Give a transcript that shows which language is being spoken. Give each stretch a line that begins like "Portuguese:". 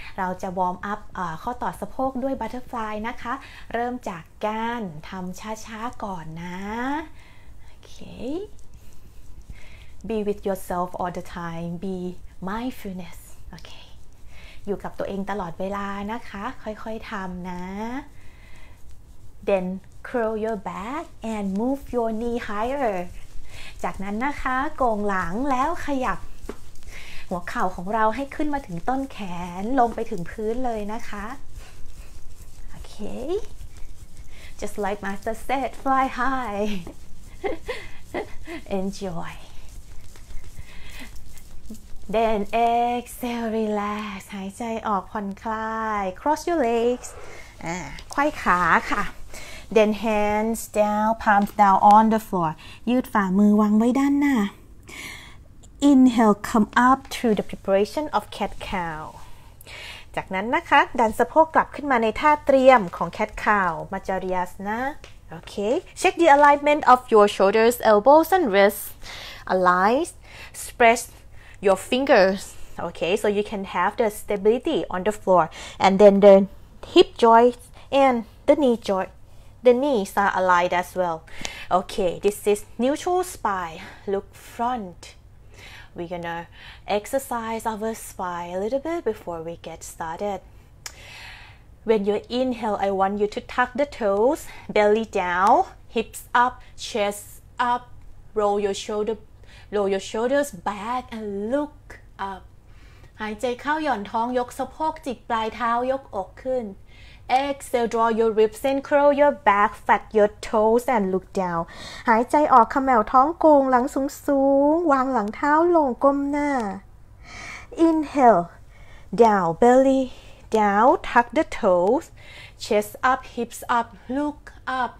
Thai: เราจะ warm up ข้อต่อสะโพกด้วย butterfly นะคะเริ่มจากการทำช้าๆก่อนนะ Okay.
English: Be with yourself all the time. Be mindfulness. Okay.
Thai: อยู่กับตัวเองตลอดเวลานะคะค่อยๆทำนะ Then.
English: Curl your back and move your knee higher.
Thai: จากนั้นนะคะโก่งหลังแล้วขยับหัวเข่าของเราให้ขึ้นมาถึงต้นแขนลงไปถึงพื้นเลยนะคะ Okay.
English: Just like Master said, fly high. Enjoy. Then exhale, relax.
Thai: หายใจออกผ่อนคลาย
English: Cross your legs.
Thai: ไขว้ขาค่ะ
English: Then hands down, palms down on the floor.
Thai: ยืดฝ่ามือวางไว้ด้านหน้า
English: Inhale, come up through the preparation of cat cow.
Thai: จากนั้นนะคะดันสะโพกกลับขึ้นมาในท่าเตรียมของ cat cow.
English: Majariasana. Okay. Check the alignment of your shoulders, elbows, and wrists. Align. Spread your fingers. Okay. So you can have the stability on the floor. And then the hip joints and the knee joint. The knees are aligned as well. Okay, this is neutral spine. Look front. We're gonna exercise our spine a little bit before we get started. When you inhale, I want you to tuck the toes, belly down, hips up, chest up, roll your shoulders back and look up.
Thai: หายใจเข้าหย่อนท้องยกสะโพกจิกปลายเท้ายกอกขึ้น
English: Exhale, draw your ribs in, curl your back, flat your toes, and look down.
Thai: หายใจออกขมแอลท้องโกงหลังสูงๆวางหลังเท้าลงก้มหน้า
English: Inhale, down, belly down, tuck the toes, chest up, hips up, look up.